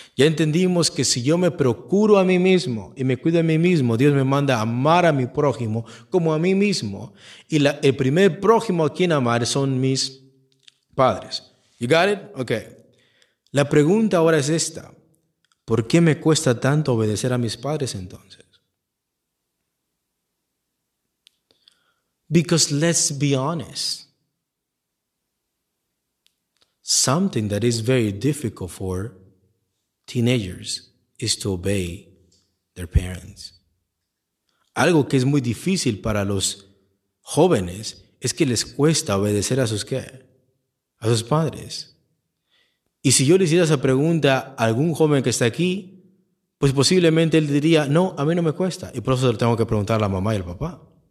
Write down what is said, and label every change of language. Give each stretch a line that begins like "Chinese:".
Spanish: Ya entendimos que si yo me procuro a mí mismo y me cuido a mí mismo, Dios me manda a amar a mi prójimo como a mí mismo. Y el primer prójimo a quien amar son mis padres.
English: You got it? Okay.
Spanish: La pregunta ahora es esta. ¿Por qué me cuesta tanto obedecer a mis padres entonces?
English: Because let's be honest, something that is very difficult for teenagers is to obey their parents.
Spanish: Algo que es muy difícil para los jóvenes es que les cuesta obedecer a sus, ¿qué? A sus padres. Y si yo le hiciera esa pregunta a algún joven que está aquí, pues posiblemente él diría, no, a mí no me cuesta. Y por eso le tengo que preguntar a la mamá y al papá.